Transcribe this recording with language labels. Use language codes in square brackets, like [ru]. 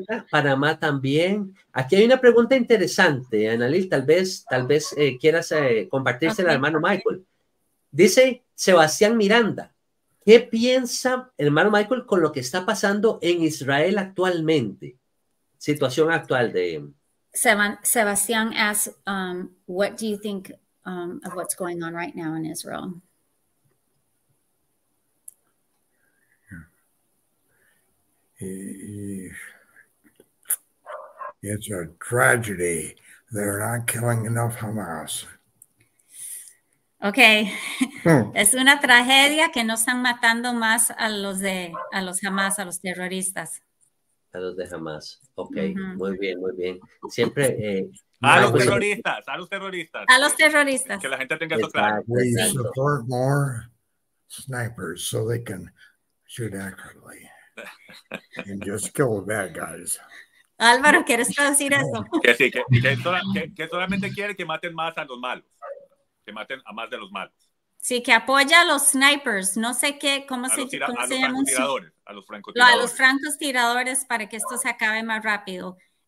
[es] Panamá también. Aquí hay una pregunta interesante, Analil. Tal vez quieras compartírsela al hermano Michael. Dice Sebastián Miranda, ¿qué piensa el hermano Michael con lo que está pasando en Israel actualmente? Situación actual de... [en] Sebastián asks, what do you think of what's going on right now in Israel? It's a tragedy. They're not killing enough Hamas. [es] Okay, es una tragedia que no están matando más a los terroristas. A los de Hamas, okay, uh-huh. muy bien. Siempre. A los terroristas. Que la gente tenga eso claro. [en] We support more snipers so they can shoot accurately and just kill the bad guys. [es] Álvaro, ¿quieres traducir eso? Que sí, que solamente quiere que maten más a los malos. Que maten a más de los malos. Sí, que apoya a los snipers, no sé qué, cómo se llama. A los francotiradores, a los francotiradores. A los francotiradores para que esto se acabe más rápido.